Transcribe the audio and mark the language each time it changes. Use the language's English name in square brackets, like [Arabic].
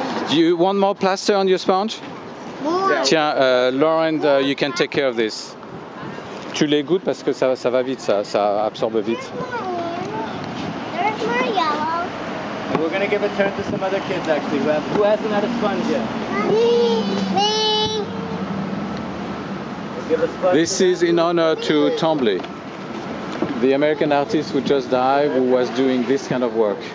[English] Do you want more plaster on your sponge? Yeah. Tiens, Lauren, you can take care of this. [French] Tu les goûtes parce que ça va vite, ça absorbe vite. [English] There's more yellow. And we're going to give a turn to some other kids, actually. Who hasn't had a sponge yet? Me. Me. This is in honor to Twombly, the American artist who just died, who was doing this kind of work.